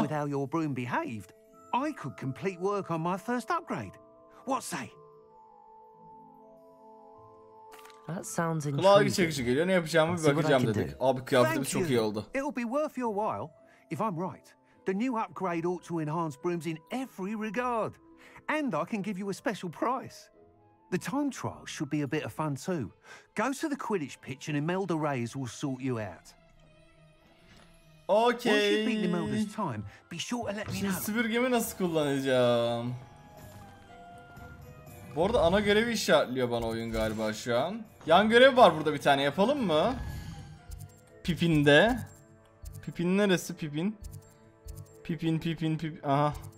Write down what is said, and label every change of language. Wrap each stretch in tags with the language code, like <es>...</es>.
<en>With how your broom behaved, I could complete work on my first upgrade. What say? That sounds intriguing.</en> <tr>Kulağı çekici geliyor. Ne yapacağımı bir bakacağım dedik. Abi kıyafetimiz çok iyi oldu.</tr> <en>It'll be worth your while if I'm right. The new upgrade ought to enhance brooms in every regard, and I can give you a special price. The time trial should be a bit of fun too. Go to the Quidditch pitch and Imelda Reyes will sort you out. Okay. Once you beat Imelda's time, be sure to let me know.</en> <tr>Süpürgemi nasıl kullanacağım? Bu arada ana görevi işaretliyor bana oyun galiba şu an. Yan görev var burada bir tane, yapalım mı? Pipin'de. Pipin neresi Pipin? Pipin. Aha.</tr>